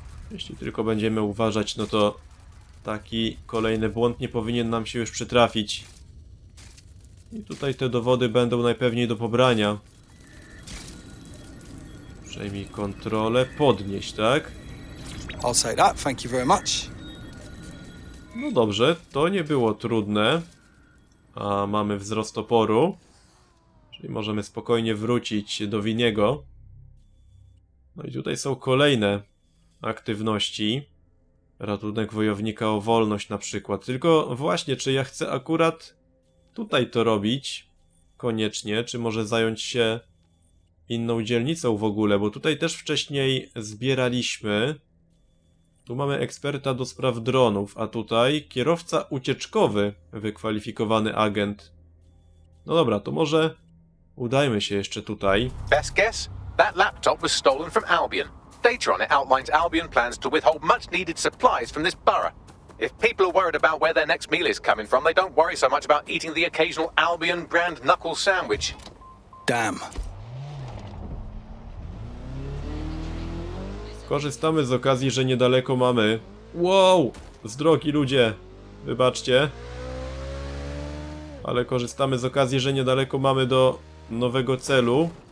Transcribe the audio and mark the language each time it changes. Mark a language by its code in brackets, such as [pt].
[pl] Jeśli tylko będziemy uważać, no to taki kolejny błąd nie powinien nam się już przytrafić. I tutaj te dowody będą najpewniej do pobrania. Przejmij kontrolę, podnieś, tak? [en] I'll say that, thank you very much. [pl] No dobrze, to nie było trudne. A mamy wzrost oporu. Czyli możemy spokojnie wrócić do Winiego. No i tutaj są kolejne aktywności. Ratunek wojownika o wolność na przykład. Tylko właśnie, czy ja chcę akurat tutaj to robić? Koniecznie, czy może zająć się inną dzielnicą w ogóle? Bo tutaj też wcześniej zbieraliśmy. Tu mamy eksperta do spraw dronów, a tutaj kierowca ucieczkowy, wykwalifikowany agent. No dobra, to może udajmy się jeszcze tutaj. [en] Best guess? That laptop was stolen from Albion. Data on it outlines Albion plans to withhold much needed supplies from this borough. If people are worried about where their next meal is coming from, they don't worry so much about eating the occasional Albion brand knuckle sandwich. Damn. [pl] Korzystamy z okazji, że niedaleko mamy... Wow! Z drogi, ludzie! Wybaczcie. Ale korzystamy z okazji, że niedaleko mamy do nowego celu.